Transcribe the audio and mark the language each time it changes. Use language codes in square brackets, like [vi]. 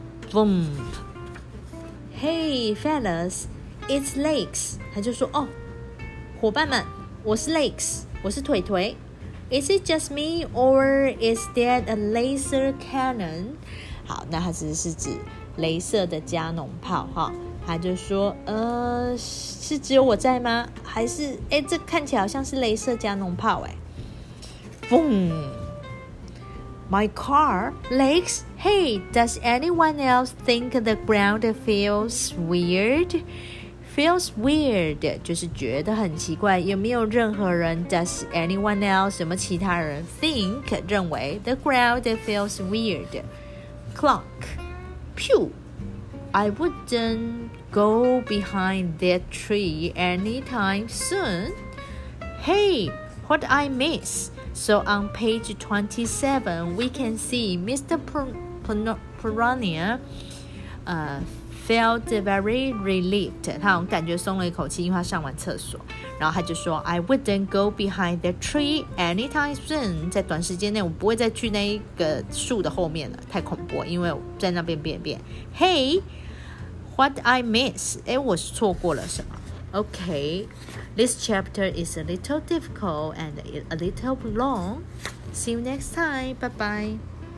[en] Boom. Hey, fellas, it's Lakes. [zh] 他就说，哦，伙伴们，我是 Lakes, 我是腿腿。 [en] Is it just me or is that a laser cannon? [zh] 好，那他其实是指雷射的加农炮哈。他就说，是只有我在吗？还是，哎，这看起来好像是雷射加农炮哎。 [en] Boom! My car, Lakes. Hey, does anyone else think the ground feels weird? Feels weird [zh] 就是觉得很奇怪。有没有任何人 [en] ？Does anyone else [zh] 什么其他人 [en] think [zh] 认为 [en] the ground feels weird? Clunk, pew. I wouldn't go behind that tree anytime soon. Hey, what I miss? So on page 27, we can see Mr. Piranha felt very relieved. [zh] 他好像感觉松了一口气，因为他上完厕所。然后他就说 [en] I wouldn't go behind the tree anytime soon. [zh] 在短时间内我不会再去那一个树的后面了，太恐怖了，因为我在那边便便。 [en] Hey, what I miss? [zh] 诶，我是错过了什么？ [en] Okay, this chapter is a little difficult and a little long. See you next time. Bye-bye.